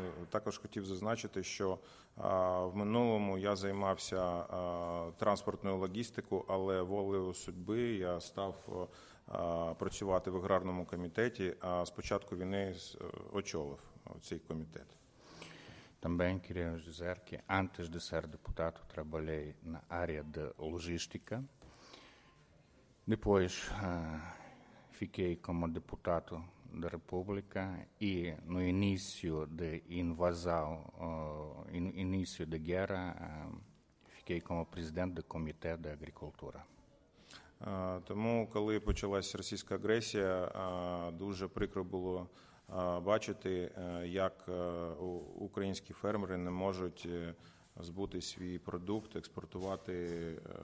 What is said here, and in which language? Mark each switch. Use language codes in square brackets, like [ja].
[uk] Також хотів зазначити, що в минулому я займався транспортною логістикою, але волею судьби я став працювати в аграрному комітеті, а спочатку він очолив цей комітет. [pt] Também queria dizer que antes de ser deputado trabalhei na área de logística. Depois fiquei como deputado da República e no início de invasão, início da guerra, fiquei como presidente do Comitê de Agricultura. [uk] Тому, коли почалась російська агресія, дуже прикро було бачити, як українські фермери не можуть збути свій продукт, експортувати.